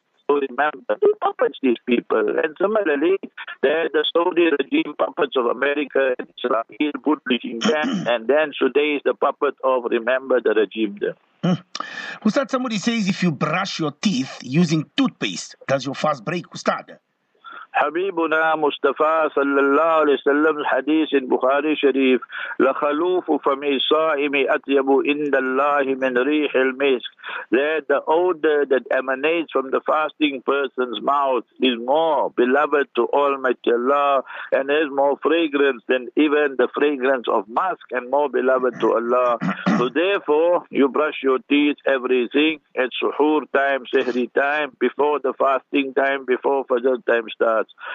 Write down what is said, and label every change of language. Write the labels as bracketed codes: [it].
[en] So remember, they puppets these people. And similarly, they're the Saudi regime puppets of America and Israel, bootlicking them. And then today is the puppet of remember the regime there. Ustad, somebody says if you brush your teeth using toothpaste, does your fast break, Ustad? [ar] حبيبنا مصطفى صلى الله عليه وسلم حديث البخاري الشريف لخلوف فم صائم أطيب عند الله من ريح المسك. [en] That the odor that emanates from the fasting person's mouth is more beloved to Almighty Allah and is more fragrant than even the fragrance of musk and more beloved to Allah. So therefore, you brush your teeth, everything, at suhoor time, sehri time, before the fasting time, before fajr time starts.